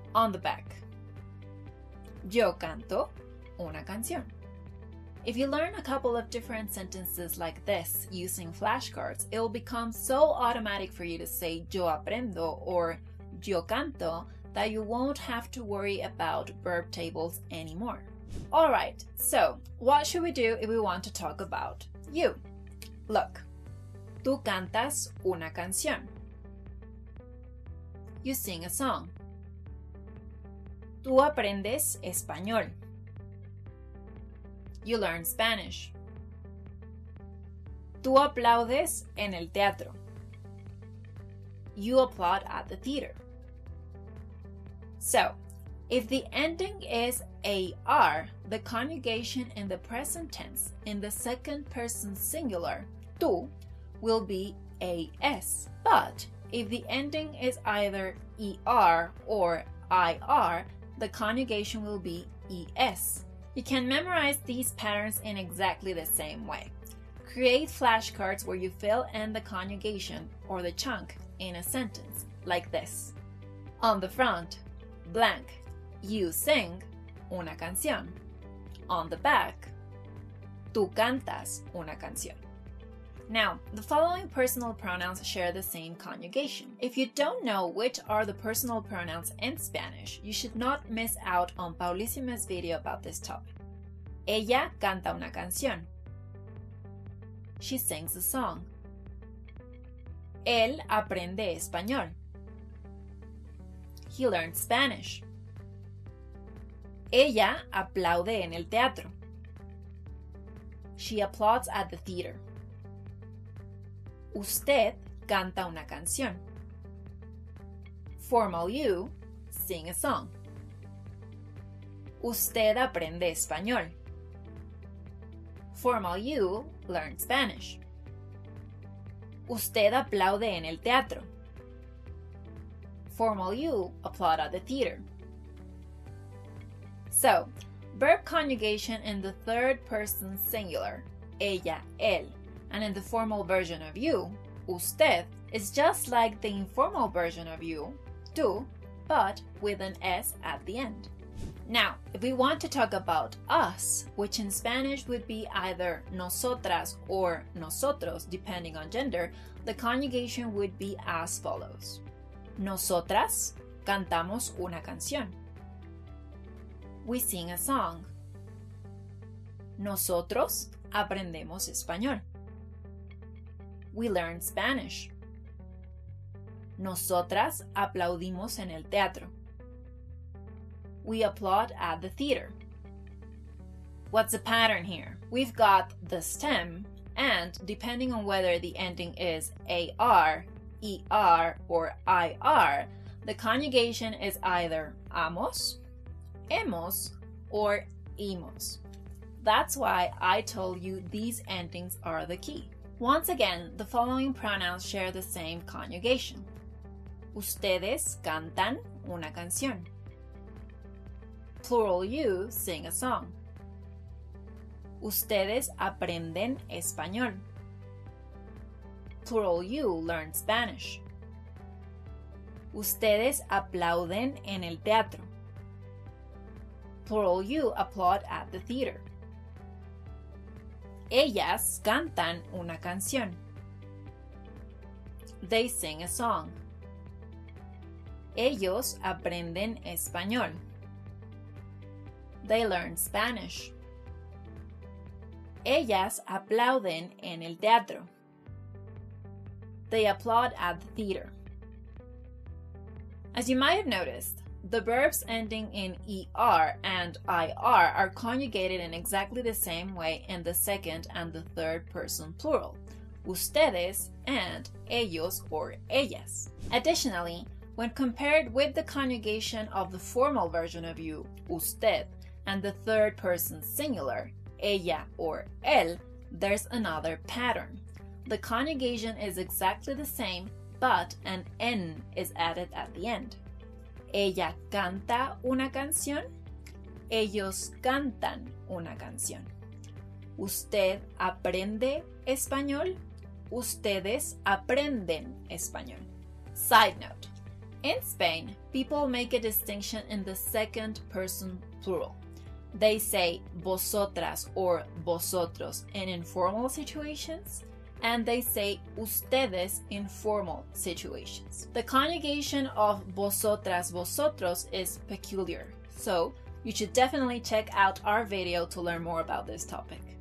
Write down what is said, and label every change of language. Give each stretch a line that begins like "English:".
English: On the back,
Spanish: yo canto una canción.
English: If you learn a couple of different sentences like this using flashcards, it will become so automatic for you to say
Spanish: yo aprendo
English: or
Spanish: yo canto
English: that you won't have to worry about verb tables anymore. Alright, so what should we do if we want to talk about you?
Spanish: Look, tú cantas una canción.
English: You sing a song.
Spanish: Tú aprendes español.
English: You learn Spanish.
Spanish: Tú aplaudes en el teatro.
English: You applaud at the theater. So, If the ending is AR, the conjugation in the present tense in the second person singular, tú, will be AS. But if the ending is either ER or IR, the conjugation will be ES. You can memorize these patterns in exactly the same way. Create flashcards where you fill in the conjugation or the chunk in a sentence, like this. On the front, blank, you sing
Spanish: una canción. On the back, tú cantas una canción.
English: Now, the following personal pronouns share the same conjugation. If you don't know which are the personal pronouns in Spanish, you should not miss out on Paulissima's video about this topic.
Spanish: Ella canta una canción.
English: She sings a song.
Spanish: Él aprende español.
English: He learns Spanish.
Spanish: Ella aplaude en el teatro.
English: She applauds at the theater.
Spanish: Usted canta una canción.
English: Formal you, sing a song.
Spanish: Usted aprende español.
English: Formal you, learn Spanish.
Spanish: Usted aplaude en el teatro.
English: Formal you, applaud at the theater. So, verb conjugation in the third person singular, ella, él, and in the formal version of you, usted, is just like the informal version of you, tú, but with an S at the end. Now, if we want to talk about us, which in Spanish would be either nosotras or nosotros, depending on gender, the conjugation would be as follows.
Spanish: Nosotras cantamos una canción.
English: We sing a song.
Spanish: Nosotros aprendemos español.
English: We learn Spanish.
Spanish: Nosotras aplaudimos en el teatro.
English: We applaud at the theater. What's the pattern here? We've got the stem, and depending on whether the ending is AR, ER, or IR, the conjugation is either amos, hemos, or imos. That's why I told you these endings are the key. Once again, the following pronouns share the same conjugation.
Spanish: Ustedes cantan una canción.
English: Plural you sing a song.
Spanish: Ustedes aprenden español.
English: Plural you learn Spanish.
Spanish: Ustedes aplauden en el teatro.
English: Plural you applaud at the theater.
Spanish: Ellas cantan una canción.
English: They sing a song.
Spanish: Ellos aprenden español.
English: They learn Spanish.
Spanish: Ellas aplauden en el teatro.
English: They applaud at the theater. As you might have noticed, the verbs ending in ER and IR are conjugated in exactly the same way in the second and the third person plural, ustedes and ellos or ellas. Additionally, when compared with the conjugation of the formal version of you, usted, and the third person singular, ella or él, there's another pattern. The conjugation is exactly the same, but an N is added at the end.
Spanish: Ella canta una canción. Ellos cantan una canción. Usted aprende español. Ustedes aprenden español.
English: Side note. In Spain, people make a distinction in the second person plural. They say vosotras or vosotros in informal situations, and they say ustedes in formal situations. The conjugation of vosotras, vosotros is peculiar, so you should definitely check out our video to learn more about this topic.